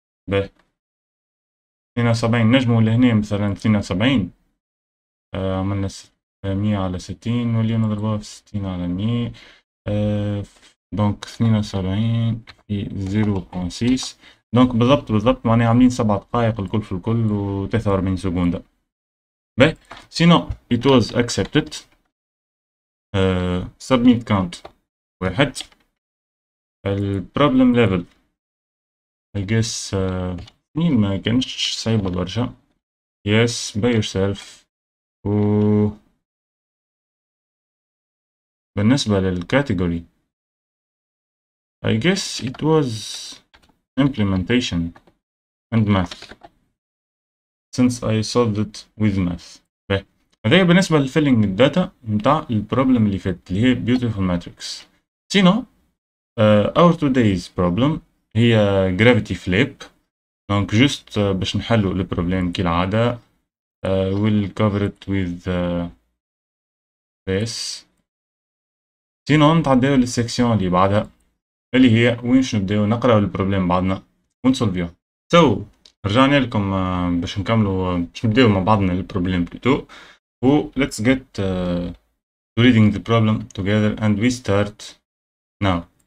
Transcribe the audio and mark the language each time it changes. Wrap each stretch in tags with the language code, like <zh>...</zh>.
<ar>باه 72 نجمو لهنا مثلا 72 عملنا 100 على 60 واللي نضربوها في 60 على 100، دونك 72 في 0.6، دونك بالضبط معناها عاملين 7 دقائق الكل في الكل و 43 سكوندا. باهي سينو</ar> <en>it was accepted. submit count 1.</en> <ar>البروبلم ليفل</ar> <en>I guess</en> <ar>2 ما كانش صعيبة برشا.</ar> <en>yes by yourself.</en> <ar>و بالنسبة للكاتيجوري</ar> <en>I guess it was implementation and math since I solved it with math.</en> <ar>هذا بالنسبة للفيلينغ الداتا نتاع البروبلم اللي فات اللي هي beautiful matrix. سينو</ar> <en>our today's problem هي gravity flip.</en> <ar>دونك جست باش نحلو البروبلم كالعادة</ar> <en>we'll cover it with this.</en> <ar>سينو نتعداو للسيكسيون اللي بعدها اللي هي وين نبداو نقراو البروبليم بعدنا ونسولفيو. سو رجعنا لكم باش نكملو باش نبداو مع بعضنا البروبليم بلوتو، و</ar> <en>let's get reading the problem together and we start now.</en>